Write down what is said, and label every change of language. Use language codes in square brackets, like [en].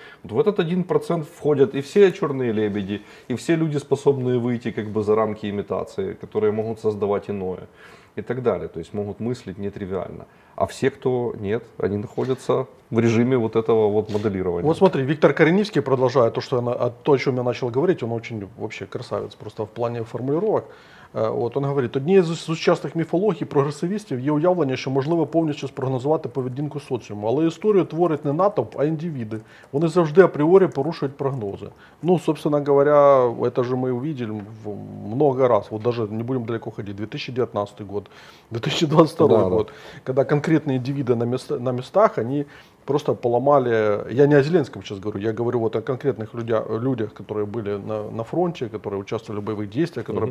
[ru] Вот в этот 1% входят и все черные лебеди, и все люди, способные выйти как бы за рамки имитации, которые могут создавать иное и так далее. То есть могут мыслить нетривиально. А все, кто нет, они находятся в режиме вот этого вот моделирования. Вот смотри, Виктор Кореневский, продолжая то, о чем я начал говорить, он очень вообще красавец просто в плане формулировок. Вот он говорит, [uk] одні з сучасних міфологій прогресивістів є уявлення, що можливо повністю спрогнозувати поведінку соціуму, але історію творить не натовп, а індивіди. Вони завжди апріорі порушують прогнози. [ru] Ну, собственно говоря, это же мы увидели много раз, вот даже не будем далеко ходить, 2019 год, 2022 год, когда конкретные индивиды на местах, они просто поламали, я не о Зеленском сейчас говорю, я говорю вот о конкретных людях, которые были на фронте, которые участвовали в боевых действиях, которые mm-hmm.